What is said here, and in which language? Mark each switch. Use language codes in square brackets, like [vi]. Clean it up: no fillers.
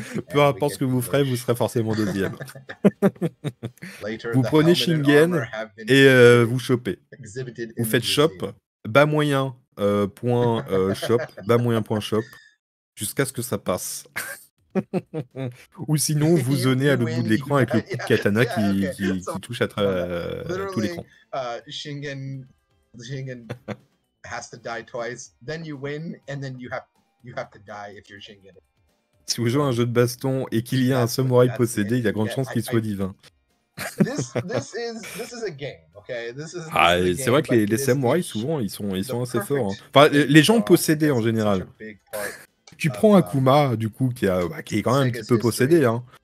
[fr] Peu importe ce que vous ferez, vous serez forcément deuxième. Vous prenez Shingen et vous chopez. Vous faites chop, bas moyen, point shop, bas moyen point shop, jusqu'à ce que ça passe. Ou sinon, vous zonez à l'autre bout de l'écran avec le coup de katana qui touche à travers tout l'écran. [en] Shingen has to die twice. Then you win, and then you have to die if you're Shingen. [fr] Si vous jouez à un jeu de baston et qu'il y a un samouraï possédé, il y a grande chance qu'il soit divin. [en] This is a game, okay? This is a game, [fr] c'est vrai que les samouraïs, souvent, ils sont assez forts. Hein. Enfin, les gens possédés, en général. Tu prends Akuma, du coup, qui est quand même un petit peu possédé. Hein.